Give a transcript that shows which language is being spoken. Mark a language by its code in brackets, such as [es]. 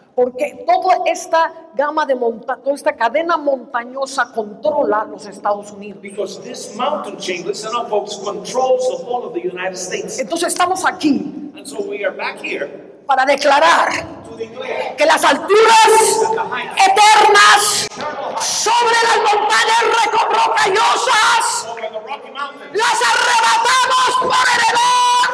[es] Porque toda esta gama de monta, toda esta cadena montañosa controla los Estados Unidos. [en] Because this mountain chain, listen up, folks, controls the whole of the United States. [es] Entonces estamos aquí. [en] And so we are back here. [es] Para declarar que las alturas eternas sobre las montañas rocallosas las arrebatamos por heredad.